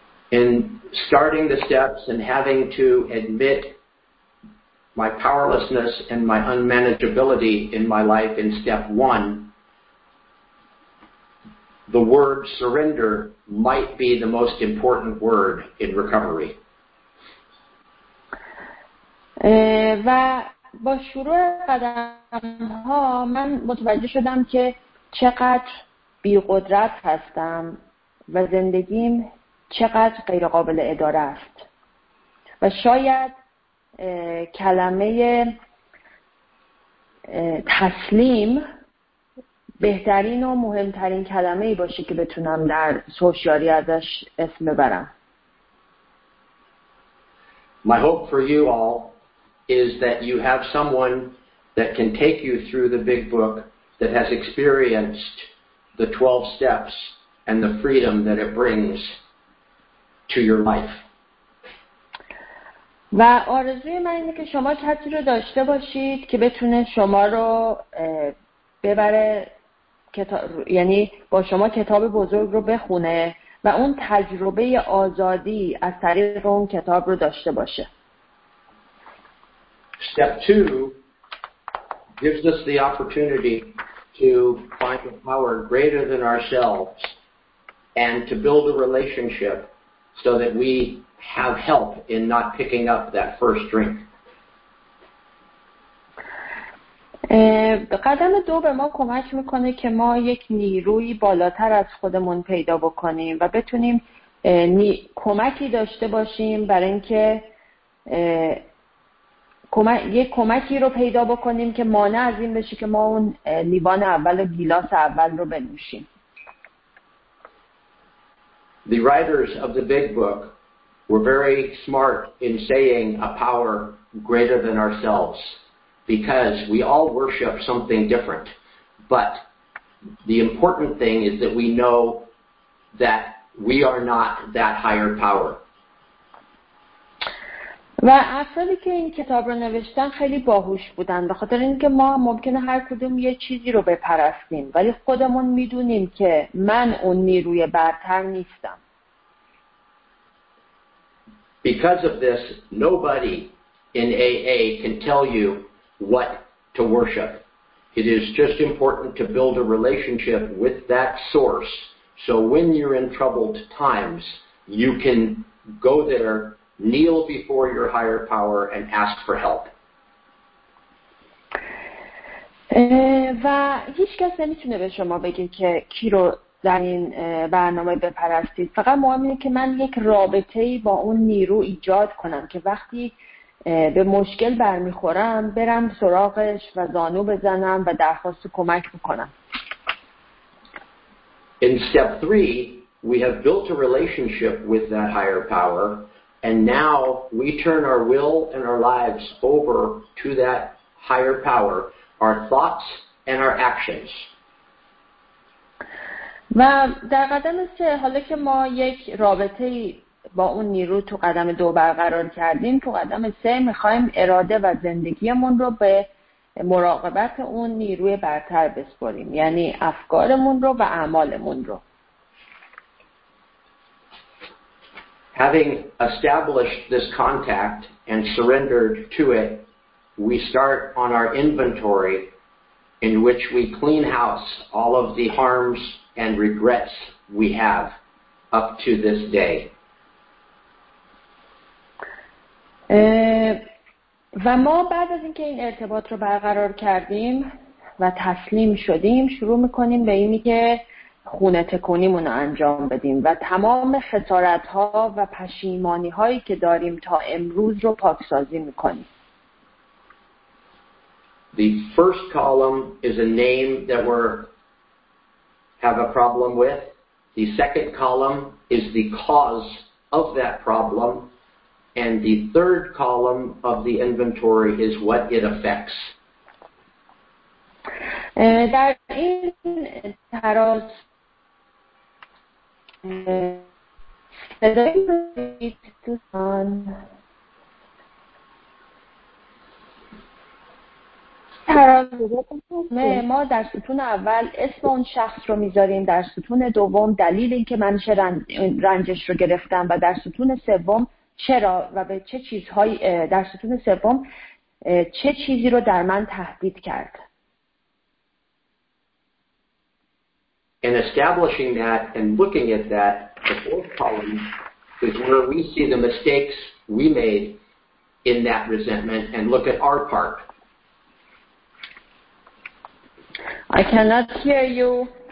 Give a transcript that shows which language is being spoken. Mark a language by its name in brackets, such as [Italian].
[English] In starting the steps and having to admit my powerlessness and my unmanageability in my life in step one, the word surrender might be the most important word in recovery. [Persian] و با شروع قدم‌ها من متوجه شدم که چقدر بی‌قدرت هستم و زندگیم چقدر غیر قابل اداره است و شاید کلمه تسلیم بهترین و مهمترین کلمه ای باشه که بتونم در سوشیاری ازش اسم ببرم. [English] My hope for you all is that you have someone that can take you through the big book that has experienced the 12 steps and the freedom that it brings to your life. [Persian] و آرزوی من اینه که شما کسی رو داشته باشید که بتونه شما رو ببره یعنی با شما کتاب بزرگ رو بخونه و اون تجربه آزادی از طریق اون کتاب رو داشته باشه. [English] Step 2 gives us the opportunity to find a power greater than ourselves and to build a relationship so that we have help in not picking up that first drink. [Persian] قدم دو به ما کمک میکنه که ما یک نیروی بالاتر از خودمون پیدا بکنیم و بتونیم کمکی داشته باشیم برای اینکه یک کمکی رو پیدا بکنیم که مانع از این بشه که ما اون لیوان اول و گیلاس اول رو بنوشیم. [English] The writers of the big book were very smart in saying a power greater than ourselves because we all worship something different. But the important thing is that we know that we are not that higher power. [Persian] و افرادی که این کتاب رو نوشتن خیلی باهوش بودن، به خاطر اینکه ما ممکنه هر کدوم یه چیزی رو بپرستیم، ولی خودمون میدونیم که من اون نیروی برتر نیستم. [English] Because of this, nobody in AA can tell you what to worship. It is just important to build a relationship with that source. So when you're in troubled times, you can go there, kneel before your higher power and ask for help. [Persian] و هیچ کس نمیتونه به شما بگه که کی رو در این برنامه بپرستید. فقط مهم اینه که من یک رابطه‌ای با اون نیرو ایجاد کنم که وقتی به مشکل برمیخورم برم سراغش و زانو بزنم و درخواست کمک بکنم. [English] In step 3, we have built a relationship with that higher power. And now we turn our will and our lives over to that higher power, our thoughts and our actions. [Persian] و در قدم سه، حالا که ما یک رابطه با اون نیرو تو قدم دو برقرار کردیم، تو قدم سه میخوایم اراده و زندگیمون رو به مراقبت اون نیروی برتر بسپاریم، یعنی افکارمون رو و اعمالمون رو. [English] Having established this contact and surrendered to it, we start on our inventory in which we clean house all of the harms and regrets we have up to this day. [Persian] و ما بعد از اینکه این ارتباط رو برقرار کردیم و تسلیم شدیم، شروع می‌کنیم به اینی که خونه تکونیمون رو انجام بدیم و تمام خسارت ها و پشیمانی هایی که داریم تا امروز رو پاکسازی میکنیم. [English] The first column is a name that we have a problem with. The second column is the cause of that problem. And the third column of the inventory is what it affects. [Persian] در این تراز ما در ستون اول اسم اون شخص رو میذاریم، در ستون دوم دلیل این که من چه رنجش رو گرفتم، و در ستون سوم چرا و به چه چیزهای، در ستون سوم چه چیزی رو در من تهدید کرد. [English] In establishing that and looking at that, the fourth column is where we see the mistakes we made in that resentment and look at our part. I cannot hear you.